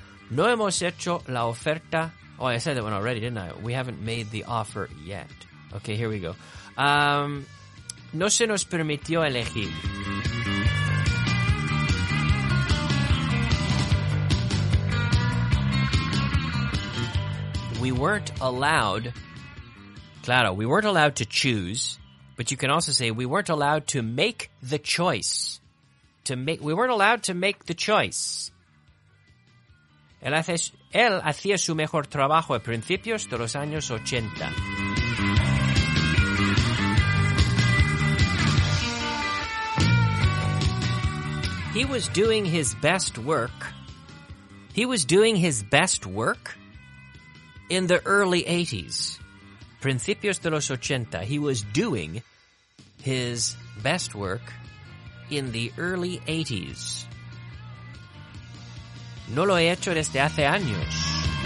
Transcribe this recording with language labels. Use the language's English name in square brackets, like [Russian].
[Spanish] No hemos hecho la oferta. [English] Oh, I said that one already, didn't I? We haven't made the offer yet. Okay, here we go. [Spanish] No se nos permitió elegir. [English] We weren't allowed. Claro, we weren't allowed to choose. But you can also say we weren't allowed to make the choice. We weren't allowed to make the choice. [Spanish] Él hacía su mejor trabajo a principios de los años 80. [English] He was doing his best work. He was doing his best work in the early 80s. [Spanish] Principios de los 80. [English] He was doing his best work in the early 80s. [Spanish] No lo he hecho desde hace años.